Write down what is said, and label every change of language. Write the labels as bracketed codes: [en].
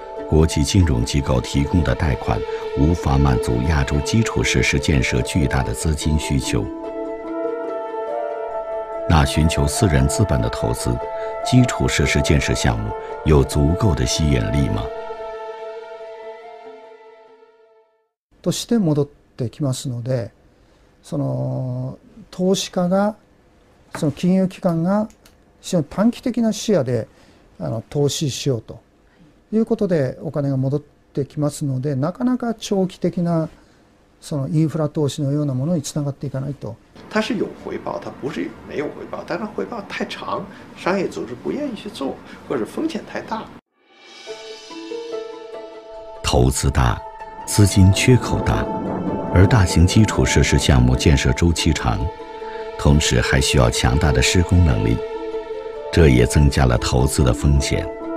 [zh] 国际金融机构提供的贷款无法满足亚洲基础设施建设巨大的资金需求，那寻求私人资本的投资，基础设施建设项目有足够的吸引力吗？ [ja] として戻ってきますので、その投資家が、その金融機関が非常に短期的な視野で投資しようと。いうことでお金が戻ってきますので、なかなか長期的なそのインフラ投資のようなものにつながっていかないと。 [zh] 它是有回报，它不是没有回报，但是回报太长，商业组织不愿意去做，或者风险太大。投资大，资金缺口大，而大型基础设施项目建设周期长，同时还需要强大的施工能力，这也增加了投资的风险。